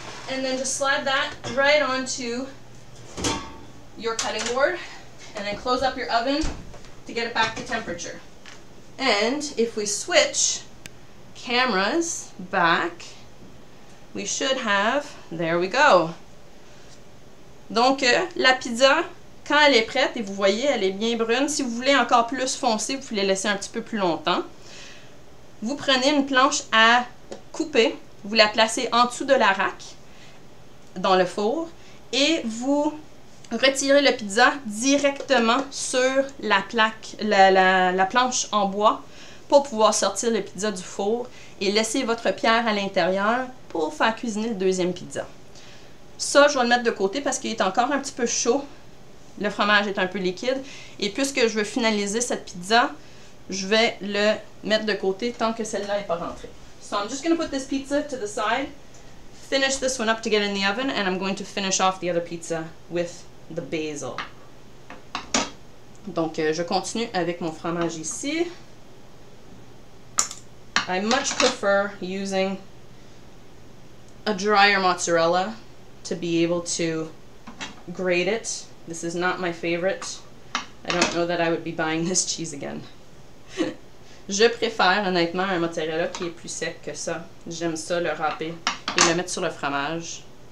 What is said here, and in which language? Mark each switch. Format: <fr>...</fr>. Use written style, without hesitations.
<en>And then just slide that right onto your cutting board. And then close up your oven to get it back to temperature. And if we switch cameras back, we should have, there we go.</en> <fr>Donc, la pizza, quand elle est prête, et vous voyez, elle est bien brune. Si vous voulez encore plus foncé, vous pouvez la laisser un petit peu plus longtemps. Vous prenez une planche à couper, vous la placez en dessous de la rack dans le four et vous retirez le pizza directement sur la plaque, la planche en bois pour pouvoir sortir le pizza du four et laisser votre pierre à l'intérieur pour faire cuisiner le deuxième pizza. Ça, je vais le mettre de côté parce qu'il est encore un petit peu chaud. Le fromage est un peu liquide et puisque je veux finaliser cette pizza, je vais le mettre de côté tant que celle-là n'est pas rentrée.</fr> <en>So I'm just going to put this pizza to the side, finish this one up to get in the oven, and I'm going to finish off the other pizza with the basil.</en> <fr>Donc, je continue avec mon fromage ici.</fr> <en>I much prefer using a drier mozzarella to be able to grate it. This is not my favorite. I don't know that I would be buying this cheese again.</en> <fr>Je préfère honnêtement un mozzarella qui est plus sec que ça. J'aime ça le râper et le mettre sur le fromage.</fr>